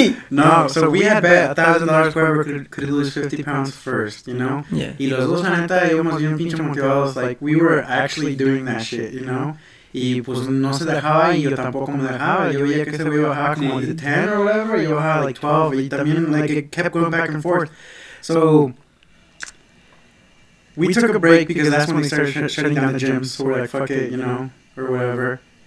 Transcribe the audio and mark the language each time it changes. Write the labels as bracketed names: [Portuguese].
[English] No, so we had bet $1,000 whoever could lose 50 pounds first, you know? Yeah. [Spanish] Y los dos, neta, íbamos bien pinche motivados. [English] Like, we were actually doing that shit, you know? [Spanish] Y pues no se dejaba y yo tampoco me dejaba. Yo veía que se iba a bajar como de 10 [English] or whatever. [Spanish] Yo bajaba [English] like 12. [Spanish] Y también, [English] like, it kept going back and forth. So, we took a break because that's when they started shutting down the gym. So we're like, fuck it, you know, or whatever.